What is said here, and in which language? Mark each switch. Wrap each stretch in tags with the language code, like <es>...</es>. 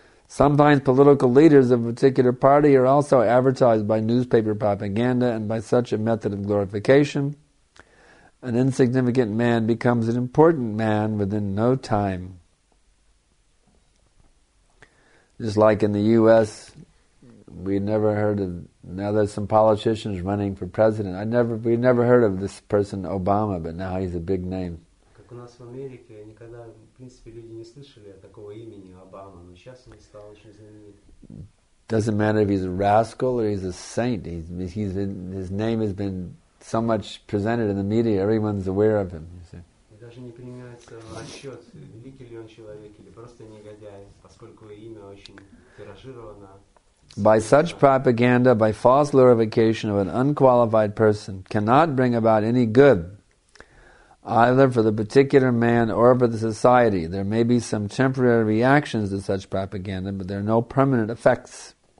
<en>Sometimes political leaders of a particular party are also advertised by newspaper propaganda, and by such a method of glorification, an insignificant man becomes an important man within no time. Just like in the U.S., we never heard of, now there's some politicians running for president. We never heard of this person Obama, but now he's a big name.</en> <ru>Как у нас в Америке никогда, в принципе, люди не слышали такого имени Обама, но сейчас он стал очень знаменит.</ru> <en>Doesn't matter if he's a rascal or he's a saint. His name has been so much presented in the media, everyone's aware of him.</en> <ru>Даже не принимается в расчет, великий ли он человек или просто негодяй, поскольку имя очень тиражировано.</ru> <en>By such propaganda, by false glorification of an unqualified person, cannot bring about any good, either for the particular man or for the society. There may be some temporary reactions to such propaganda, but there are no permanent effects.</en>